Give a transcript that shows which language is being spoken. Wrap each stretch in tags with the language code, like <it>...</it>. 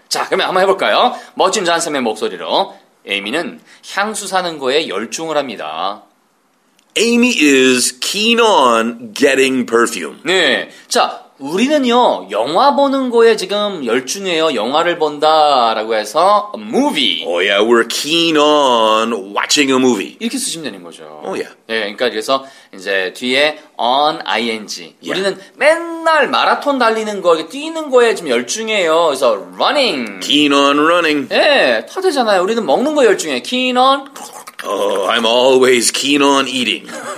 <ko>자, 그러면 한번 해볼까요? 멋진 잔쌤의 목소리로 에이미는 향수 사는 거에 열중을 합니다.</ko> <en>Amy is keen on getting perfume.</en> <ko>네. 자, 우리는요, 영화 보는 거에 지금 열중해요. 영화를 본다라고 해서 a movie.</ko> <en>Oh yeah, we're keen on watching a movie.</en> <ko>이렇게 쓰시면 되는 거죠.</ko> <en>Oh yeah.</en> <ko>예, 그러니까 그래서 이제 뒤에 on ing.</ko> <en>Yeah.</en> <ko>우리는 맨날 마라톤 달리는 거, 뛰는 거에 지금 열중해요. 그래서 running.</ko> <en>Keen on running.</en> <ko>예, 다 되잖아요. 우리는 먹는 거 열중해. Keen on.</ko> <en>Oh, I'm always keen on eating.</en>